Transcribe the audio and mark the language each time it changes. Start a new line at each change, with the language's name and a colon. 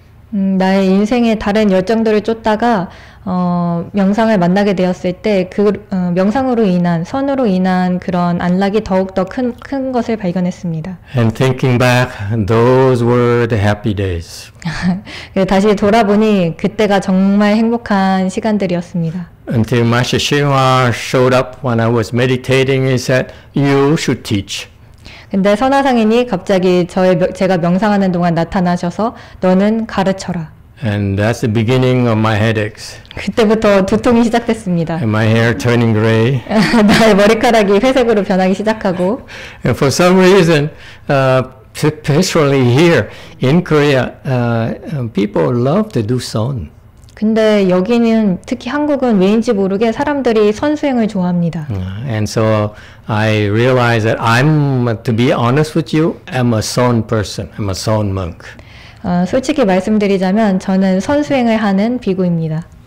Korean: 나의 인생의 다른 열정들을 쫓다가 명상을 만나게 되었을 때 그 명상으로 인한 선으로 인한 그런 안락이 더욱 더 큰 것을 발견했습니다.
English: And thinking back, those were the happy days.
Korean: 다시 돌아보니 그때가 정말 행복한 시간들이었습니다.
English: Until Master Shenhua showed up when I was meditating, he said, "You should teach."
Korean: 근데 선화상인이 갑자기 제가 명상하는 동안 나타나셔서 너는 가르쳐라.
English: And that's the beginning of my headaches.
Korean: 그때부터 두통이 시작됐습니다.
English: And my hair turning gray.
Korean: 나의 머리카락이 회색으로 변하기 시작하고.
English: And for some reason, especially here in Korea, people love to do son.
Korean: 근데 여기는 특히 한국은 왜인지 모르게 사람들이 선수행을 좋아합니다.
English: And so I realized that I'm, to be honest with you, I'm a son person. I'm a son monk.
Korean: 솔직히 말씀드리자면 저는 선수행을 하는 비구입니다.